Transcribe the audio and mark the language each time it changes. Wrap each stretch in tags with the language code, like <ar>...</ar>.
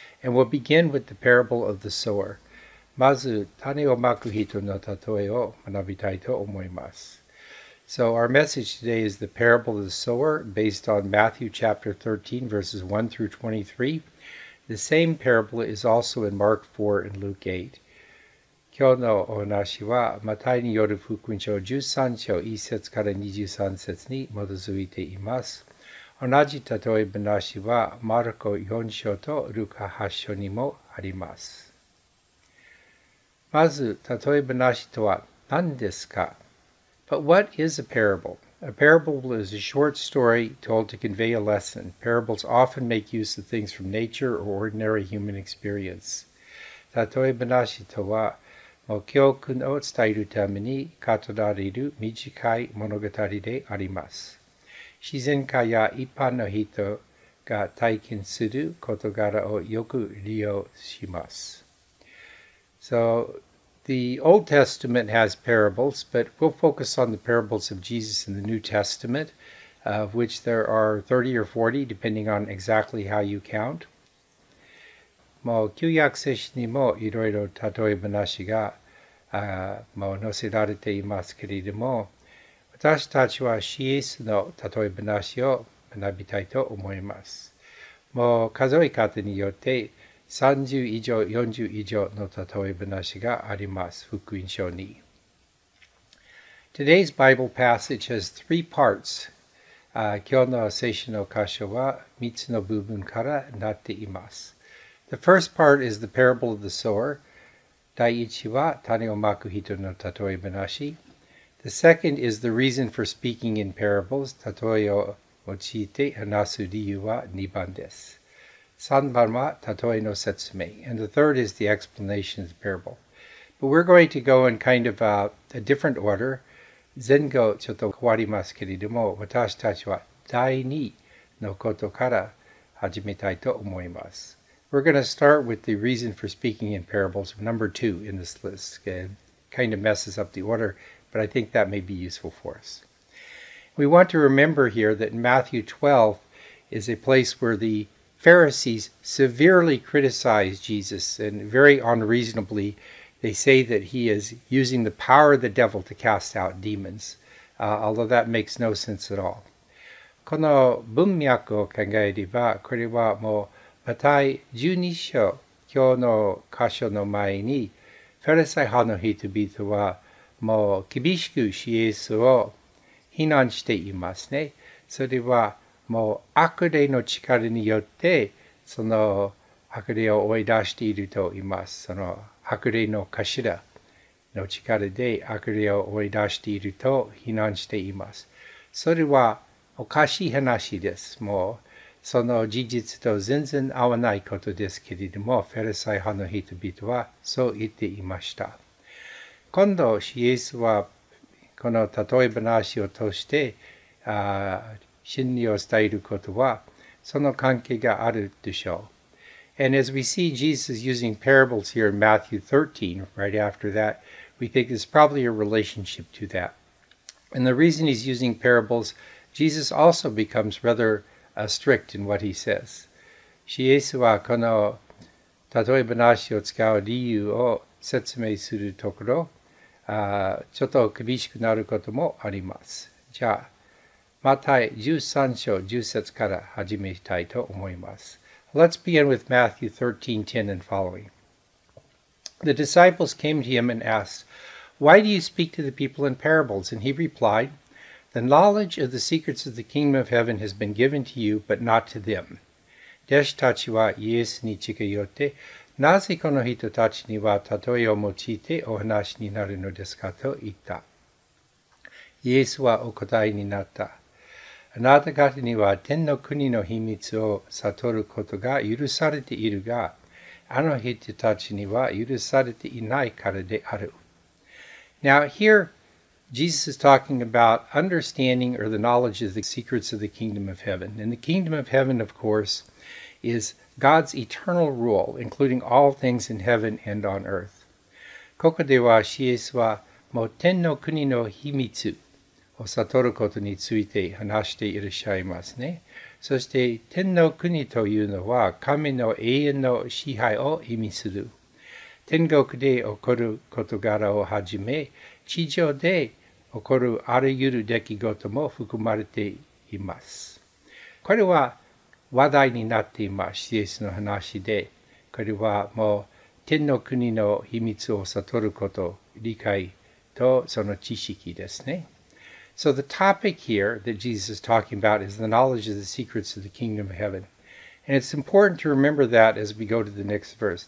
<en>And we'll begin with the parable of the sower.</en> <ja>まず、種をまく人のたとえを学びたいと思います。</ja> <en>So our message today is the parable of the sower, based on Matthew chapter 13, verses 1 through 23. The same parable is also in Mark 4 and Luke 8.</en> <ja>今日のお話は、マタイによる福音書13章1節から23節に基づいています。同じ例え話は、マルコ4章とルカ8章にもあります。まず、例え話とは何ですか?</ja> <en>But what is a parable? A parable is a short story told to convey a lesson. Parables often make use of things from nature or ordinary human experience.</en> <ja>例え話とは、目標君を伝えるために語られる短い物語であります。自然界や一般の人が体験する事柄をよく利用します。</ja> <en>So, the Old Testament has parables, but we'll focus on the parables of Jesus in the New Testament, of which there are 30 or 40, depending on exactly how you count.</en> <ja>もう旧約聖書にもいろいろ例え話がもう載せられていますけれども、私たちはイエスの例え話を学びたいと思います。もう数え方によって30以上、40以上の例え話があります、福音書に。</ja> <en>Today's Bible passage has three parts.</en> <ja>今日の聖書の箇所は3つの部分からなっています。</ja> <en>The first part is the parable of the sower.</en> <ja>第一は種をまく人のたとえ話。</ja> <en>The second is the reason for speaking in parables.</en> <ja>たとえを用いて話す理由は2番です。 3番はたとえの説明。</ja> <en>And the third is the explanation of the parable. But we're going to go in kind of a different order.</en> <ja>前後ちょっと変わりますけれども、私たちは第2のことから始めたいと思います。</ja> <en>We're going to start with the reason for speaking in parables, number two in this list. It kind of messes up the order, but I think that may be useful for us. We want to remember here that Matthew 12 is a place where the Pharisees severely criticize Jesus, and very unreasonably, they say that he is using the power of the devil to cast out demons, although that makes no sense at all.</en> <ja>この文脈を考えれば、これはもうマタイ12章、今日の箇所の前に、フェリサイ派の人々は、もう厳しくイエスを非難していますね。それは、もう悪霊の力によって、その悪霊を追い出していると言います。その悪霊の頭の力で悪霊を追い出していると非難しています。それはおかしい話です。もうその事実と全然合わないことですけれども、フェリサイ派の人々はそう言っていました。今度、イエスはこの例え話を通して、真理を伝えることは、その関係があるでしょう。</ja> <en>And as we see Jesus using parables here in Matthew 13, right after that, we think there's probably a relationship to that. And the reason he's using parables, Jesus also becomes rather... strict in what he says.</en> <ja>シエスはこの例え話を使う理由を説明するところ、ちょっと厳しくなることもあります。じゃあ、マタイ13章10節から始めたいと思います。</ja> <en>Let's begin with Matthew 13, 10 and following. The disciples came to him and asked, Why do you speak to the people in parables? And he replied,The knowledge of the secrets of the kingdom of heaven has been given to you, but not to them.</en> <ja>弟子たちはイエスに近寄って、なぜこの人たちには例えを用いてお話になるのですかと言った。イエスはお答えになった。あなた方には天の国の秘密を悟ることが許されているが、あの人たちには許されていないからである。</ja> <en>Now here,Jesus is talking about understanding or the knowledge of the secrets of the kingdom of heaven. And the kingdom of heaven, of course, is God's eternal rule, including all things in heaven and on earth.</en> <ja>ここではイエスはもう天の国の秘密を悟ることについて話していらっしゃいますね。そして天の国というのは神の永遠の支配を意味する。天国で起こる事柄をはじめ、地上で起こるあらゆる出来事も含まれています。これは話題になっています、イエスの話で。これはもう天の国の秘密を悟ること、理解とその知識ですね。</ja> <en>So the topic here that Jesus is talking about is the knowledge of the secrets of the kingdom of heaven. And it's important to remember that as we go to the next verse.</en>